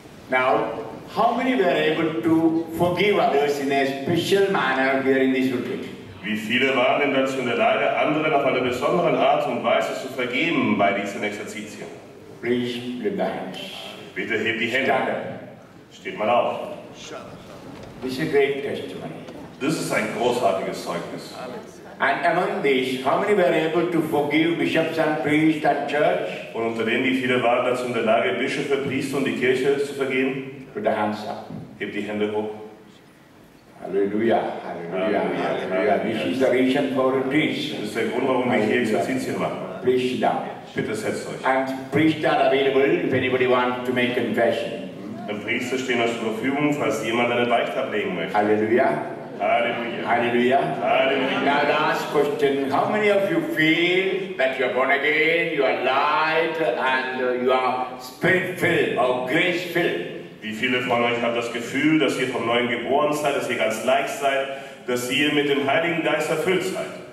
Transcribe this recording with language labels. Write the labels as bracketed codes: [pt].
[en] Now, how many were able to forgive others in a special manner during this retreat? [de] Wie viele waren denn dazu in der Lage, anderen auf eine besondere Art und Weise zu vergeben bei diesen Exerzitien? [en] Please lift the hands. [de] Bitte hebt die Hände. Steht mal auf. [en] This is a great testimony. [de] Das ist ein großartiges Zeugnis. [en] And among these, how many were able to forgive bishops and priests and church? [de] Und unter denen, wie viele waren dazu in der Lage, Bischöfe, Priester und die Kirche zu vergeben? [en] Put the hands up. [de] Hebt die Hände hoch. [en] Halleluja, Halleluja, Halleluja. This is the reason for a priest. [de] Das ist der Grund, warum wir hier Exerzitien machen. [en] Please sit down. [de] Bitte setzt euch. [en] And priests are available if anybody wants to make confession. [de] Der Priester steht euch zur Verfügung, falls jemand eine Beichte ablegen möchte. Halleluja. Halleluja. Halleluja. Halleluja. [en] Now last question. How many of you feel that you are born again, you are light and you are spirit filled or grace filled? [de] Wie viele von euch haben das Gefühl, dass ihr vom Neuen geboren seid, dass ihr ganz leicht seid, dass ihr mit dem Heiligen Geist erfüllt seid?